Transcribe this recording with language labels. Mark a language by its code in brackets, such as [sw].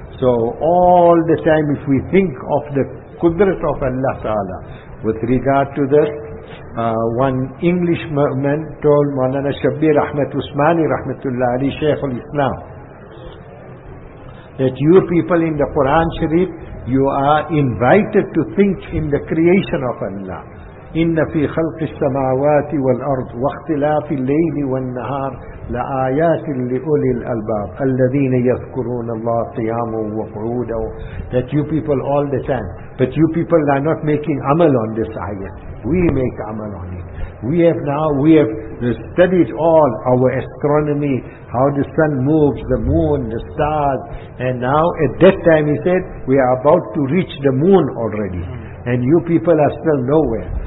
[en] So all the time if we think of the Qudrat of Allah Ta'ala, with regard to this, one Englishman told Maulana Shabbir Ahmed Usmani Rahmatullah Ali, Shaykh al-Islam, that you people in the Quran Sharif, you are invited to think in the creation of Allah. [ar] إن في خلق السماوات والأرض واختلاف الليل والنهار لآيات لأولي الألباب الذين يذكرون الله قياما وقعودا. [en] That you people all the time, but you people are not making amal on this ayat. We make amal on it. We have studied all our astronomy, how the sun moves, the moon, the stars, and now at that time he said we are about to reach the moon already, and you people are still nowhere.